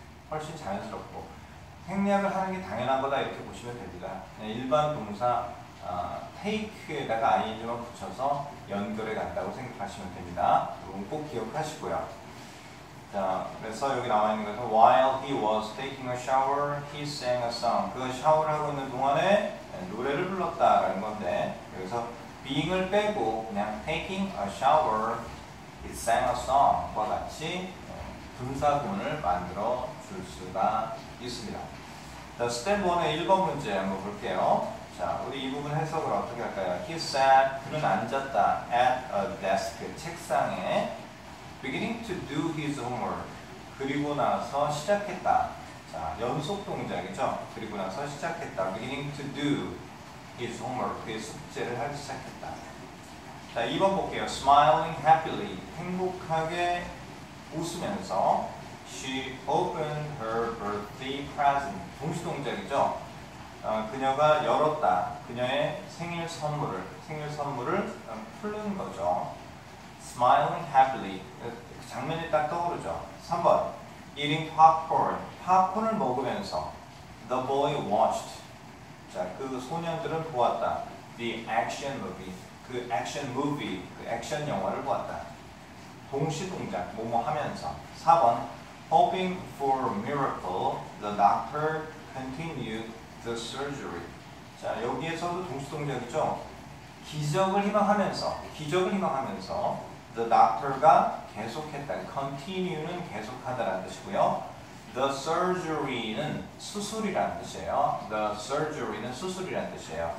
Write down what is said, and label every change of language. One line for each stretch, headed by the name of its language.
Korean: 훨씬 자연스럽고 생략을 하는 게 당연한 거다 이렇게 보시면 됩니다. 일반 동사 take에다가 ing만 붙여서 연결해 간다고 생각하시면 됩니다. 이건 꼭 기억하시고요. 자, 그래서 여기 나와 있는 것은
English: while he was taking a shower, he sang a song.
Korean: 그가 샤워를 하고 있는 동안에 노래를 불렀다라는 건데, 여기서 being을 빼고 그냥
English: taking a shower, he sang a song
Korean: 과 같이 분사구문을 만들어 줄 수가 있습니다. 자, 스텝 1의 1번 문제 한번 볼게요. 자, 우리 이 부분 해석을 어떻게 할까요?
English: He sat,
Korean: 그는 앉았다.
English: At a desk,
Korean: 책상에.
English: Beginning to do his homework.
Korean: 그리고 나서 시작했다. 자, 연속 동작이죠? 그리고 나서 시작했다.
English: Beginning to do his homework.
Korean: 그의 숙제를 하기 시작했다. 자, 2번 볼게요.
English: Smiling happily.
Korean: 행복하게 웃으면서.
English: She opened her birthday present.
Korean: 동시 동작이죠? 그녀가 열었다. 그녀의 생일 선물을. 생일 선물을 풀는 거죠.
English: Smiling happily.
Korean: 장면이 딱 떠오르죠. 3번.
English: Eating popcorn.
Korean: 팝콘을 먹으면서.
English: The boy watched.
Korean: 자, 그 소년들은 보았다.
English: The action movie.
Korean: 그
English: action movie.
Korean: 그 액션 영화를 보았다. 동시 동작. 뭐뭐 하면서. 4번.
English: Hoping for a miracle, the doctor continued the surgery.
Korean: 자, 여기에서도 동시 동작이죠. 기적을 희망하면서, 기적을 희망하면서
English: the doctor
Korean: 가 계속했다. continue는 계속하다라는 뜻이고요. the surgery는 수술이라는 뜻이에요. the surgery는 수술이라는 뜻이에요.